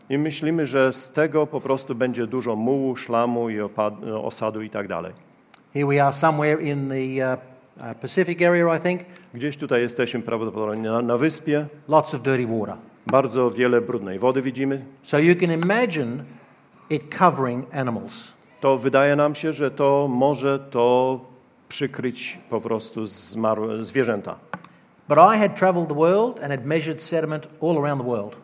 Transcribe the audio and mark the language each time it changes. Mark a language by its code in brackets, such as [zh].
[pl] I myślimy, że z tego po prostu będzie dużo mułu, szlamu i osadu i tak dalej. [en] Here we are somewhere in the Pacific area, I think. [pl] Gdzieś tutaj jesteśmy prawdopodobnie na wyspie. [en] Lots of dirty water. [pl] Bardzo wiele brudnej wody widzimy. [en] So you can imagine it covering animals. [pl] To wydaje nam się, że to może to przykryć po prostu zmarłe zwierzęta. [en] But I had traveled the world and had measured sediment all around the world.